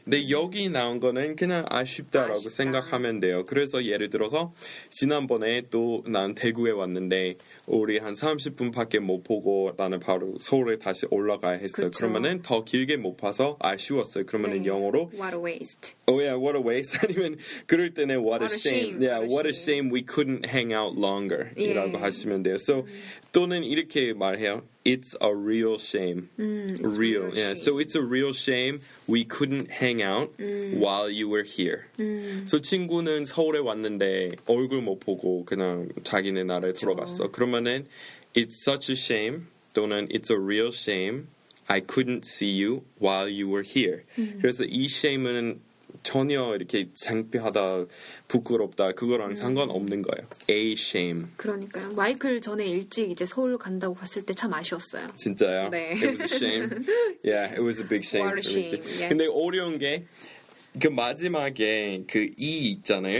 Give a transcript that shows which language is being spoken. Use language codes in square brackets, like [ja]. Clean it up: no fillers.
[ko] 근데 여기 나온 거는 그냥 아쉽다라고 아쉽다. 생각하면 돼요. 그래서 예를 들어서 지난번에 또 난 대구에 왔는데 우리 한 30분밖에 못 보고 나는 바로 서울에 다시 올라가야 했어요. 그쵸. 그러면은 더 길게 못 봐서 아쉬웠어요. 그러면은 네. 영어로 [en] What a waste. Oh yeah, what a waste. [ko] 아니면 그럴 때는 [en] what a shame. Yeah, what a shame we couldn't hang out longer. [ko] 예. 이라고 하시면 돼요. [en] So [ko] 또는 이렇게 말해요. [en] It's a real shame. It's real. Yeah. So it's a real shame we couldn't hang out while you were here. So [ko] 친구는 서울에 왔는데 얼굴 못 보고 그냥 자기네 나라에 그쵸. 돌아갔어. 그러면은 [en] it's such a shame [ko] 또는 [en] it's a real shame I couldn't see you while you were here. [ko] 그래서 이 shame은 전혀 이렇게 창피하다, 부끄럽다 그거랑 상관없는 거예요. [en] A shame. [ko] 그러니까요. 마이클 전에 일찍 이제 서울 간다고 봤을 때 참 아쉬웠어요. 진짜요? 네. [en] It was a shame. Yeah, it was a big shame. What a shame. Yeah. [ko] 근데 어려운 게 그 마지막에 그 E 있잖아요.